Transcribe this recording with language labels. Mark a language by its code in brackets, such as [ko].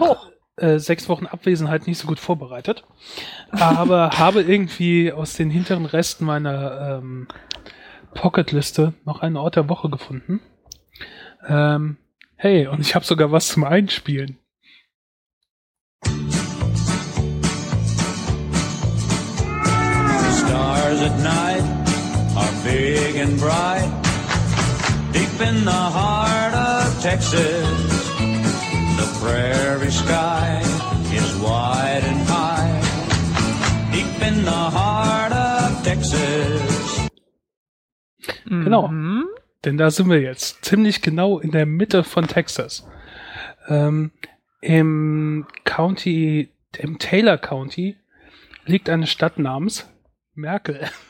[de] hoch. sechs Wochen Abwesenheit nicht so gut vorbereitet, aber habe irgendwie aus den hinteren Resten meiner Pocketliste noch einen Ort der Woche gefunden. Hey, und ich habe sogar was zum Einspielen. [en] Stars at night are big and bright, deep in the heart of Texas. The prairie sky is wide and high, deep in the heart of Texas. [de] Genau. Denn da sind wir jetzt, ziemlich genau in der Mitte von Texas. Im County, im Taylor County, liegt eine Stadt namens Merkel.